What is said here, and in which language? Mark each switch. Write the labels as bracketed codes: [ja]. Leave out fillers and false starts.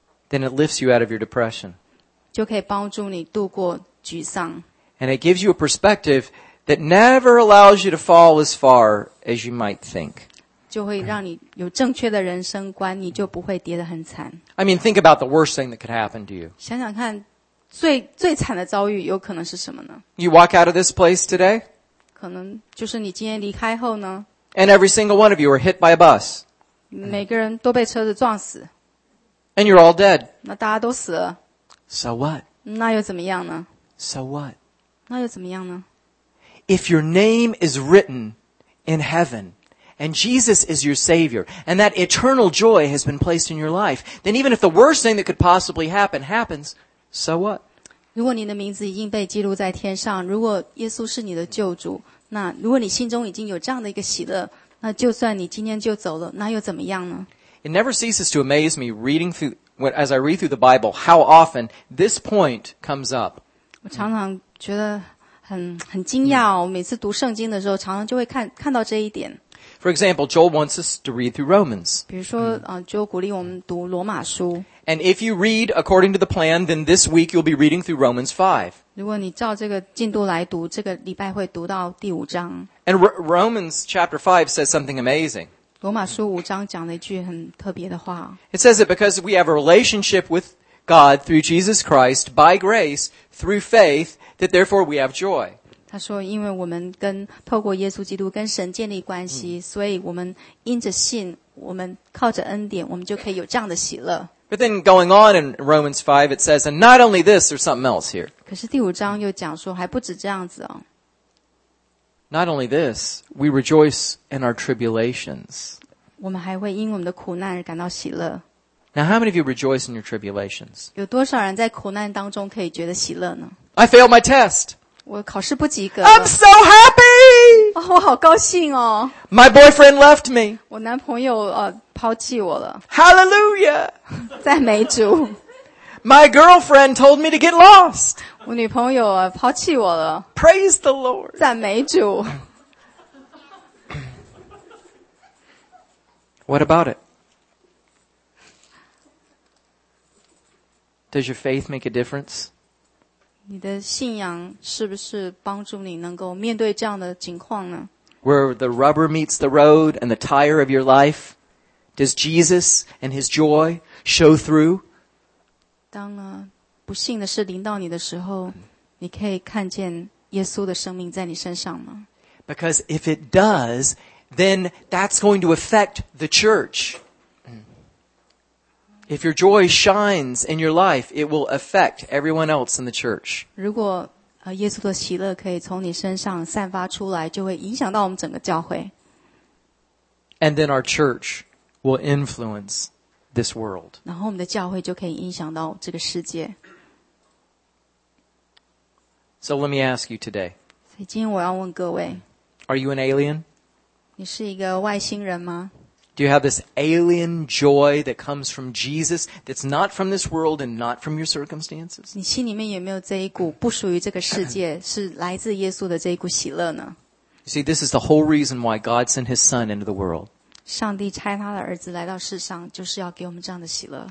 [en] Then it lifts you out of your depression [zh] 就可以帮助你度过沮丧 [en] And it gives you a perspective that never allows you to fall as far as you might think [zh] 就会让你有正确的人生观，你就不会跌得很惨。 [en] I mean, think about the worst thing that could happen to you. [zh] 想想看，最惨的遭遇有可能是什么呢 [en] ？You walk out of this place today. [zh] 可能就是你今天离开后呢 [en] ？And every single one of you are hit by a bus. [zh] 每个人都被车子撞死。 [en] And you're all dead. [zh] 那大家都死了。 [en] So what? [zh] 那又怎么样呢 [en] ？So what? [zh] 那又怎么样呢 [en] ？If your name is written in heaven. And Jesus is your Savior, and that eternal joy has been placed in your life. Then, even if the worst thing that could possibly happen happens, so what? [zh] 如果你的名字已经被记录在天上，如果耶稣是你的救主，那如果你心中已经有这样的一个喜乐，那就算你今天就走了，那又怎么样呢 [en] ？It never ceases to amaze me reading through as I read through the Bible how often this point comes up. [zh] 我常常觉得很惊讶哦，每次读圣经的时候，常常就会看到这一点。 [en] For example, Joel wants us to read through Romans. [zh] 比如说，Joel 鼓励我们读罗马书。 [en] And if you read according to the plan, then this week you'll be reading through Romans 5. [zh] 如果你照这个进度来读，这个礼拜会读到第五章。 [en] And Romans chapter 5 says something amazing. [zh] 罗马书五章讲了一句很特别的话。 [en] It says that because we have a relationship with God through Jesus Christ by grace through faith, that therefore we have joy. [zh] 他说因为我们透过耶稣基督跟神建立关系所以我们因着信我们靠着恩典我们就可以有这样的喜乐。 [en] But then going on in Romans 5, it says, and not only this, there's something else here. [zh] 可是第五章又讲说还不止这样子哦。 [en] Not only this, we rejoice in our tribulations. [zh] 我们还会因我们的苦难而感到喜乐。 [en] Now, how many of you rejoice in your tribulations? [zh] 有多少人在苦难当中可以觉得喜乐呢？ [en] I failed my test. [zh] 我考试不及格。 [en] I'm so happy! [zh] 我好高兴哦。 [en] My boyfriend left me. [zh] 我男朋友抛弃我了。 [en] Hallelujah! [zh] 赞美主。 [en] My girlfriend told me to get lost. [zh] 我女朋友抛弃我了。 [en] Praise the Lord. [zh] 赞美主。 [en] What about it? Does your faith make a difference? [zh] 你的信仰是不是帮助你能够面对这样的情况呢？ [en] Where the rubber meets the road and the tire of your life, does Jesus and his joy show through? [zh] 当不幸的事临到你的时候，你可以看见耶稣的生命在你身上吗？ [en] Because if it does, then that's going to affect the church. If your joy shines in your life, it will affect everyone else in the church. [zh] 如果耶稣的喜乐可以从你身上散发出来，就会影响到我们整个教会。 [en] And then our church will influence this world. [zh] 然后我们的教会就可以影响到这个世界。 [en] So let me ask you today. [zh] 所以今天我要问各位。 [en] Are you an alien? [zh] 你是一个外星人吗？ [en] Do you have this alien joy that comes from Jesus that's not from this world and not from your circumstances? [zh] 你心里面有没有这一股不属于这个世界，是来自耶稣的这一股喜乐呢？ [en] You see, this is the whole reason why God sent His Son into the world. [zh] 上帝差他的儿子来到世上，就是要给我们这样的喜乐。